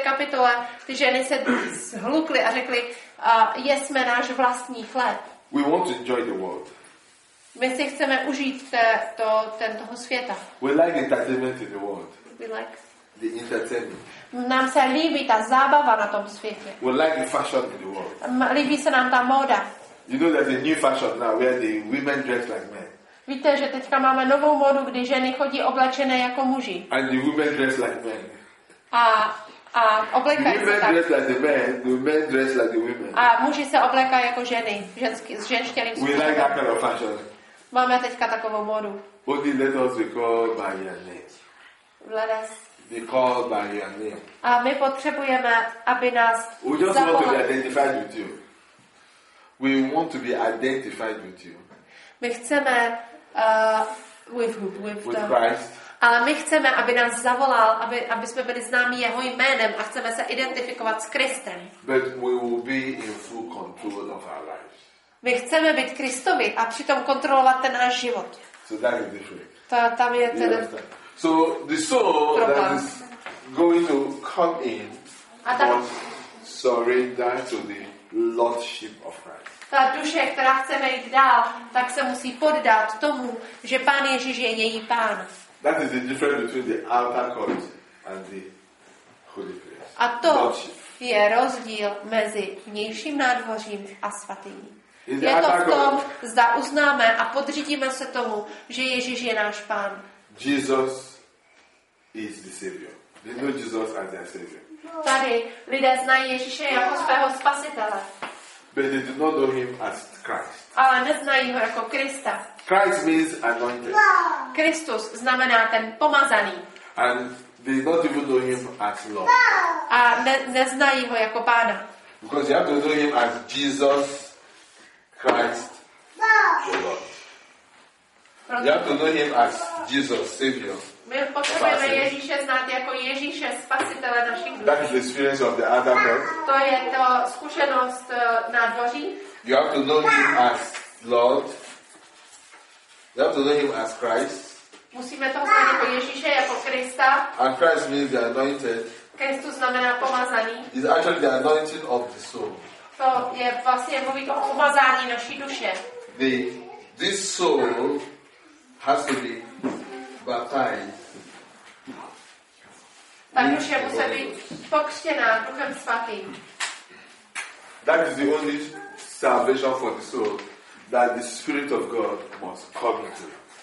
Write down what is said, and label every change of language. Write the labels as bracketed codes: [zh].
[cs] kapitole ty ženy se zhlukly a řekly, jesme náš vlastní chléb. [en] We want to enjoy the world. [cs] My si chceme užít toho světa. [en] We like entertainment in the world. We like the entertainment. [cs] Nám se líbí ta zábava na tom světě. [en] We like the fashion in the world. [cs] Líbí se nám ta móda. [en] You know there's a new fashion now where the women dress like men. [cs] Víte, že teďka máme novou módu, kdy ženy chodí oblečené jako muži. [en] And the women dress like men. [cs] A oblékají se tak. [en] Dress like the men, the men dress like the women. [cs] A muži se oblékají jako ženy, s ženštělým [en] způsobem. We like that kind of fashion. [cs] Máme teďka takovou módu. [en] Only let us be called by your name. Let us be called by your name. [cs] A my potřebujeme, aby nás [en] we just want to be identified with you. We want to be identified with you. [cs] My chceme with [en] Christ. [cs] Ale my chceme, aby nás zavolal, aby jsme byli známi jeho jménem a chceme se identifikovat s Kristem. [en] But we will be in full control of our lives. [cs] My chceme být Kristovi a přitom kontrolovat ten náš život. [en] So that is different. [cs] To tam je ten. [en] So the soul that is going to come in was surrendered to the lordship of Christ. [cs] Ta duše, která chce jít dál, tak se musí poddat tomu, že Pán Ježíš je její pán. [en] That is the difference between the outer court and the holy place. [cs] A to je rozdíl mezi vnějším nádvořím a svatyní. Je to v tom, zda uznáme a podřídíme se tomu, že Ježíš je náš pán. [en] Jesus is the savior. They know Jesus as their savior. [cs] Tady lidé znají Ježíše jako svého spasitele. [en] But they do not know him as Christ. [cs] Ale neznají ho jako Krista. [en] Christ means anointed. [cs] Kristus znamená ten pomazaný. [en] And they not even know him as Lord. [cs] A neznají ho jako Pána. [en] Because you have to know him as Jesus Christ, the Lord. You have to know him as Jesus Savior. [cs] My potřebujeme Ježíše znát jako Ježíše Spasitele našich duší. [en] That is the experience of the Adam. [cs] To je to zkušenost na dvoří. [en] You have to know him as Lord. You have to know him as Christ. [cs] Musíme toho znát jako Ježíše, jako Krista. [en] And Christ means the anointed. [cs] Kristus znamená pomazaný. [en] It's actually the anointing of the soul. [cs] To je vlastně mluví to pomazání naší duše. [en] This soul has to be baptized. [cs] Ta duše musí být pokřtěná Duchem Svatým. [en] That is the only salvation for the soul that the Spirit of God must come into.